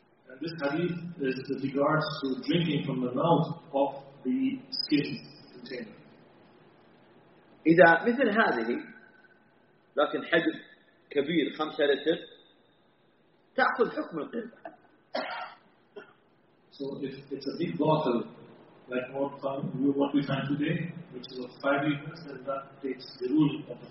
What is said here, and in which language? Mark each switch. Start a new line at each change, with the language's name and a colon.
English: And this hadith is with regards to drinking from the mouth of the skin container.
Arabic: إذا مثل هذه لكن حجم كبير 5 لتر تأخذ حكم القربة.
English: So if it's a big bottle like what we find today, which is of 5 liters, and that takes the rule of the